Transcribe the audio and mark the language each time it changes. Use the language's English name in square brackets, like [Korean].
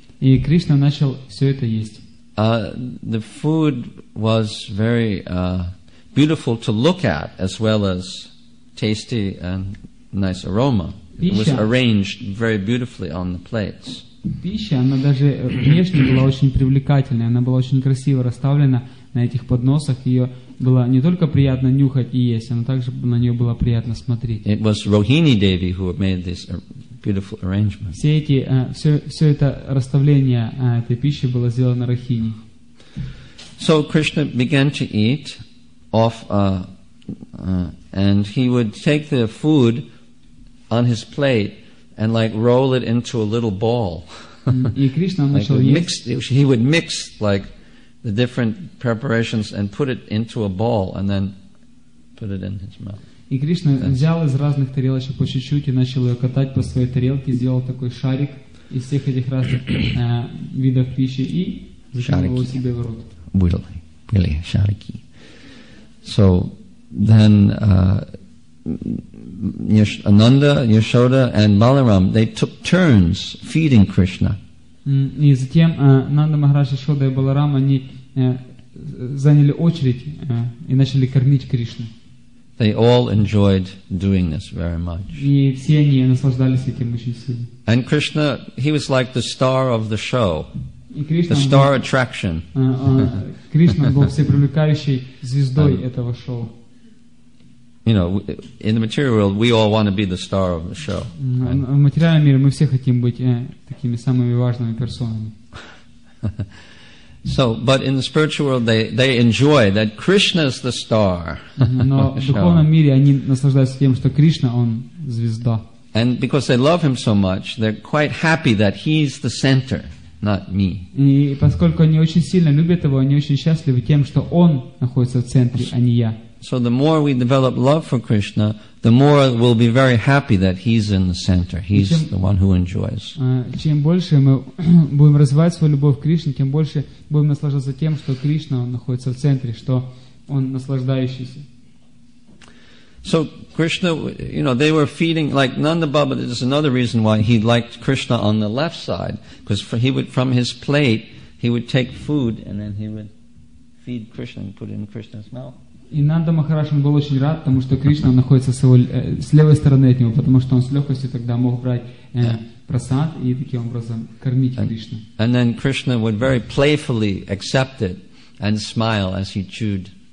[Russian] И Кришна начал все это есть. [English] The food was very beautiful to look at, as well as tasty and nice aroma. [Russian] Пища, [English] it was arranged very beautifully on the plates. [Russian] Пища, она даже внешне была очень привлекательной, она была очень красиво расставлена на этих подносах, ее было не только приятно нюхать и есть, но также на нее было приятно смотреть. [English] It was Rohini Devi who made this beautiful arrangement. [Russian] Все эти, все это расставление этой пищи было сделано Рахини. [English] So Krishna began to eat off, and he would take the food on his plate and like roll it into a little ball. [Russian] И Кришна начал есть. [English] He would mix like the different preparations and put it into a ball and then put it in his mouth. [Russian] И Кришна взял из разных тарелочек по чуть-чуть и начал ее катать по своей тарелке, сделал такой шарик из всех этих разных видов пищи и засунул его себе в рот. Были шарики. [English] So then Ananda, Yashoda and Balaram, they took turns feeding Krishna. [Russian] И затем Ананда, Махарадж, Яшода и Баларам, они заняли очередь и начали кормить Кришну. [English] They all enjoyed doing this very much. [Russian] И все они наслаждались этим очень сильно. [English] And Krishna, he was like the star of the show. The star attraction. [Russian] Кришна был всепривлекающей звездой этого шоу. [English] You know, in the material world, we all want to be the star of the show. [Russian] В материальном мире мы все хотим быть такими самыми важными персонами. [English] So, but in the spiritual world, they enjoy that Krishna is the star. [Russian] Но в духовном мире они наслаждаются тем, что Кришна он звезда. [English] And because they love him so much, they're quite happy that he's the center, not me. [Russian] И поскольку они очень сильно любят его, они очень счастливы тем, что он находится в центре, а не я. [English] So the more we develop love for Krishna, the more we'll be very happy that he's in the center. He's the one who enjoys. [Russian] Чем больше мы будем развивать свою любовь к Кришне, тем больше будем наслаждаться тем, что Кришна находится в центре, что он наслаждающийся. [English] So Krishna, you know, they were feeding like Nanda Baba. This is another reason why he liked Krishna on the left side, because he would from his plate he would take food and then he would feed Krishna and put it in Krishna's mouth. [Russian] И Нанда Махарадж был очень рад, потому что Кришна находится с левой стороны от него, потому что он с легкостью тогда мог брать просад и таким образом кормить Кришну. [English] And then Krishna would very playfully accept it and smile as he chewed.